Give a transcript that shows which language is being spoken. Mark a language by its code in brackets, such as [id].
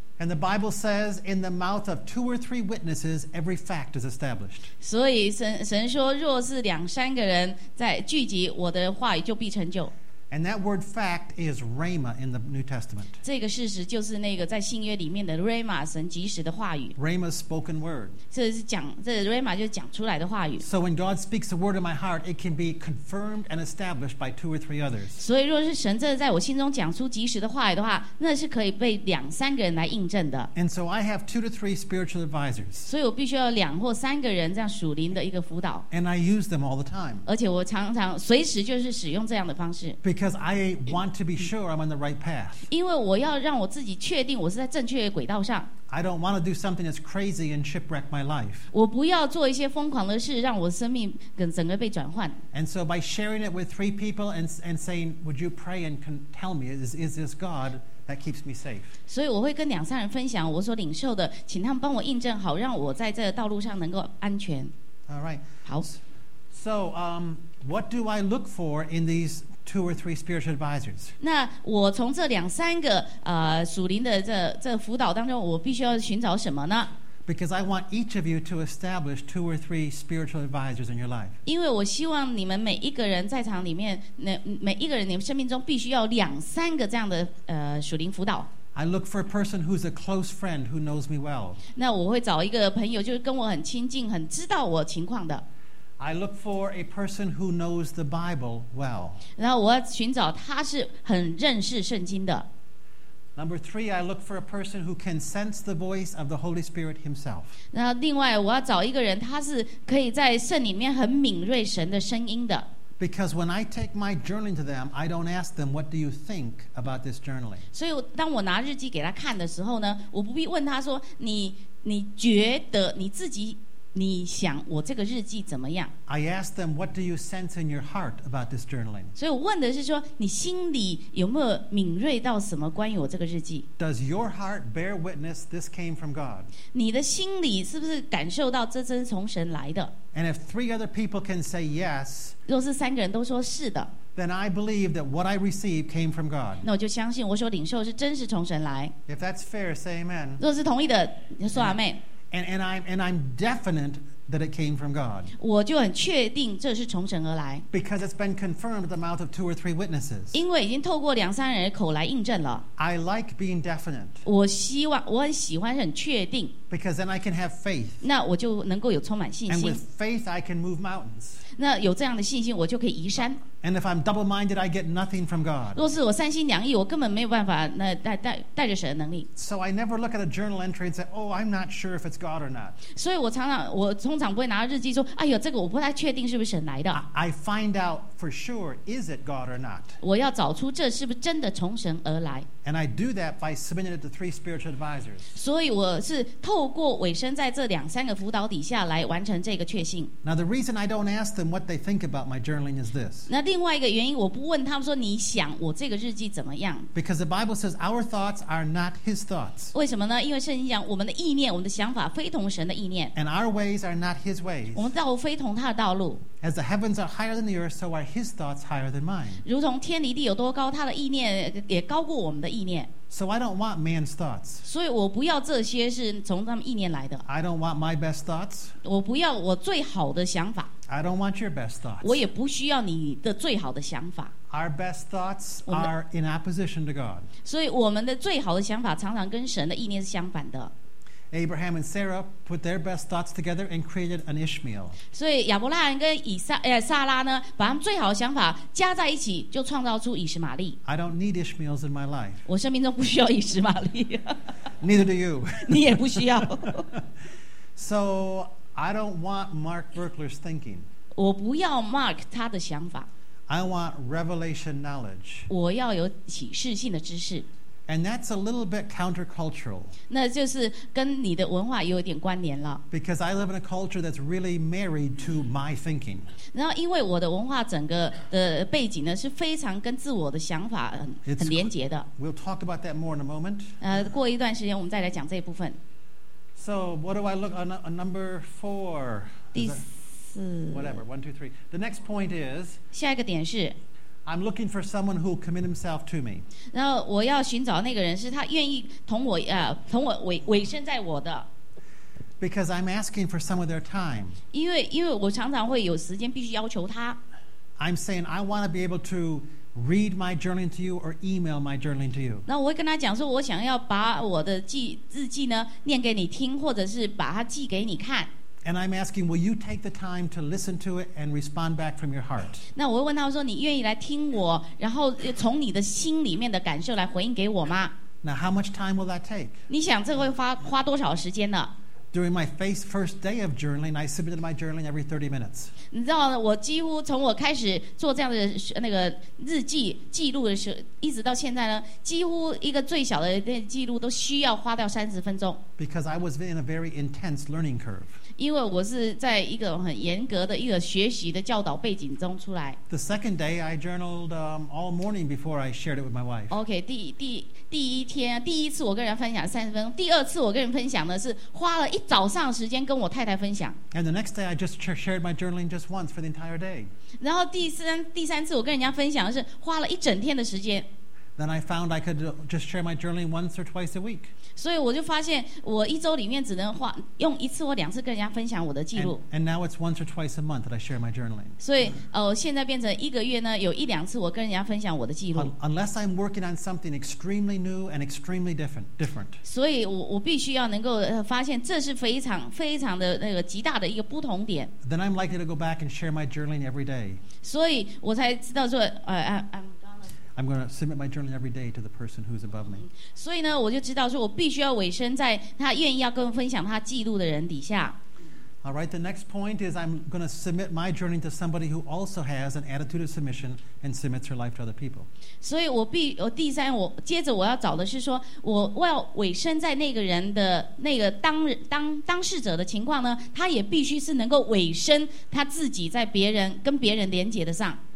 [en] And the Bible says, in the mouth of 2 or 3 witnesses, every fact is established. [zh] 所以神说，若是两三个人在聚集，我的话语就必成就。 [en] And that word fact is rhema in the New Testament. [zh] 这个事实就是那个在新约里面的 rhema， 神及时的话语。 [en] Rhema is spoken word. [zh] 这是讲这 rhema 就是讲出来的话语。 [en] So when God speaks a word in my heart, it can be confirmed and established by 2 or 3 others. [zh] 所以若是神真的在我心中讲出及时的话语的话，那是可以被两三个人来印证的。 [en] And so I have 2 to 3 spiritual advisors. [zh] 所以我必须要两或三个人这样属灵的一个辅导。 [en] And I use them all the time. [zh] 而且我常常随时就是使用这样的方式。 [en] Because I want to be sure I'm on the right path. [zh] 因为我要让我自己确定我是在正确的轨道上。 [en] I don't want to do something that's crazy and shipwreck my life. [zh] 我不要做一些疯狂的事，让我生命跟整个被转换。 [en] And so by sharing it with 3 people and saying, "Would you pray and tell me is this God that keeps me safe?" [zh] 所以我会跟两三人分享我所领受的，请他们帮我印证好，让我在这个道路上能够安全。 [en] All right. [zh] 好。 [en] So, what do I look for in these? 2 or 3 spiritual advisors. [zh] 那我从这两三个属灵的这辅导当中，我必须要寻找什么呢 [en] ？Because I want each of you to establish 2 or 3 spiritual advisors in your life. [zh] 因为我希望你们每一个人在场里面，每一个人你们生命中必须要两三个这样的属灵辅导。 [en] I look for a person who's a close friend who knows me well. [zh] 那我会找一个朋友，就是跟我很亲近、很知道我情况的。 [en] I look for a person who knows the Bible well. [zh] 然后我要寻找他是很认识圣经的。 [en] 3, I look for a person who can sense the voice of the Holy Spirit himself. [zh] 然后另外我要找一个人，他是可以在圣里面很敏锐神的声音的。 [en] Because when I take my journaling to them, I don't ask them, "What do you think about this journaling?" [zh] 所以当我拿日记给他看的时候呢，我不必问他说，你觉得你自己。你想我这个日记怎么样 [en] ？I ask them, "What do you sense in your heart about this journaling?" [zh] 所以我问的是说，你心里有没有敏锐到什么关于我这个日记 [en] ？Does your heart bear witness this came from God? [zh] 你的心里是不是感受到这真从神来的 [en] ？And if 3 other people can say yes, [zh] 若是三个人都说是的 [en] ，then I believe that what I receive came from God. [zh] 那我就相信我所领受是真实从神来。 [en] If that's fair, say amen. [zh] 若是同意的，说 amen。 [en] And I'm definite that it came from God. [zh] 我就很确定这是从神而来。 [en] Because it's been confirmed in the mouth of 2 or 3 witnesses. [zh] 因为已经透过两三人的口来印证了。 [en] I like being definite. [zh] 我很喜欢很确定。 [en] Because then I can have faith. [zh] 那我就能够有充满信心。 [en] And with faith, I can move mountains. [zh] 那有这样的信心，我就可以移山。 [en] And if I'm double-minded, I get nothing from God. [zh] 若是我三心两意，我根本没有办法那带着神的能力。 [en] So I never look at a journal entry and say, "Oh, I'm not sure if it's God or not." [zh] 所以我通常不会拿到日记说，哎呦，这个我不太确定是不是神来的。 [en] I find out for sure is it God or not. [zh] 我要找出这是不是真的从神而来。 [en] And I do that by submitting it to three spiritual advisors. [zh] 所以我是透过委身在这两三个辅导底下来完成这个确信。 [en] Now the reason I don't ask them what they think about my journaling is this. [zh] 那另外一个原因，我不问他们说你想我这个日记怎么样。 [en] Because the Bible says our thoughts are not His thoughts. [zh] 为什么呢？因为圣经讲我们的意念、我们的想法非同神的意念。 [en] And our ways are not His ways. [zh] 我们道路非同他的道路。 [en] As the heavens are higher than the earth, so are His thoughts higher than mine. [zh] 如同天离地有多高，他的意念也高过我们的意念。 [en] So I don't want man's thoughts. [zh] 所以我不要这些是从他们意念来的。 [en] I don't want my best thoughts. [zh] 我不要我最好的想法。 [en] I don't want your best thoughts. [zh] 我也不需要你的最好的想法。 [en] Our best thoughts are in opposition to God. [zh] 所以我们的最好的想法常常跟神的意念是相反的。 [en] Abraham and Sarah put their best thoughts together and created an Ishmael. [zh] 所以亚伯拉罕跟撒拉呢，把他们最好的想法加在一起，就创造出以实玛利。 [en] I don't need Ishmaels in my life. [zh] 我生命中不需要以实玛利。 [en] Neither do you. [zh] 你也不需要。 [en] So I don't want Mark Berkler's thinking. [zh] 我不要 Mark 他的想法。 [en] I want revelation knowledge. [zh] 我要有启示性的知识。 [en] And that's a little bit countercultural. [zh] 那就是跟你的文化有点关联了。 [en] Because I live in a culture that's really married to my thinking. [zh] 然后因为我的文化整个的背景呢是非常跟自我的想法很连结的。 [en] We'll talk about that more in a moment. [zh] 过一段时间我们再来讲这一部分。 [en] So what do I look on number four? [zh] 第四。 [en] Whatever. One, two, three. The next point is. [zh] 下一个点是。 [en] I'm looking for someone who will commit himself to me. [zh] 然后我要寻找那个人是他愿意同我委身在我的。 [en] Because I'm asking for some of their time. [zh] 因为我常常会有时间必须要求他。 [en] I'm saying I want to be able to read my journaling to you or email my journaling to you. [zh] 那我会跟他讲说，我想要把我的日记呢念给你听，或者是把它寄给你看。 [en] And I'm asking, will you take the time to listen to it and respond back from your heart? [zh] 那我会问他说，你愿意来听我，然后从你的心里面的感受来回应给我吗？ [en] Now, how much time will that take? [zh] 你想这会花多少时间呢？ [en] During my first day of journaling, I submitted my journaling every 30 minutes. [zh] 你知道我几乎从我开始做这样的那个日记记录的时候，一直到现在呢，几乎一个最小的记录都需要花掉30分钟。 [en] Because I was in a very intense learning curve. [zh] 因为我是在一个很严格的一个学习的教导背景中出来。 [en] The second day, I journaled all morning before I shared it with my wife. [zh] Okay, 第一天，第一次我跟人分享三十分钟，第二次我跟人分享呢是花了一早上时间跟我太太分享。 [en] And the next day, I just shared my journaling just once for the entire day. [zh] 然后第三次我跟人家分享是花了一整天的时间。 [en] Then I found I could just share my journaling once or twice a week. [zh] 所以我就发现我一周里面只能用一次或两次跟人家分享我的记录。 [en] And now it's once or twice a month that I share my journaling. [zh] 所以现在变成一个月呢有一两次我跟人家分享我的记录。 [en] Unless I'm working on something extremely new and extremely different. [zh] 所以我必须要能够发现这是非常非常的那个极大的一个不同点。 [en] Then I'm likely to go back and share my journaling every day. [zh] 所以我才知道说 [en] I'm going to submit my journaling every day to the person who's above me. [zh] 所以呢，我就知道说，我必须要委身在他愿意要跟我分享他记录的人底下。 [en] All right, the next point is I'm going to submit my journaling to somebody who also has an attitude of submission and submits her life to other people. [zh] 所以我接着我要找的是说，我要委身在那个人的那个当事者的情况呢，他也必须是能够委身他自己在别人跟别人连接的上。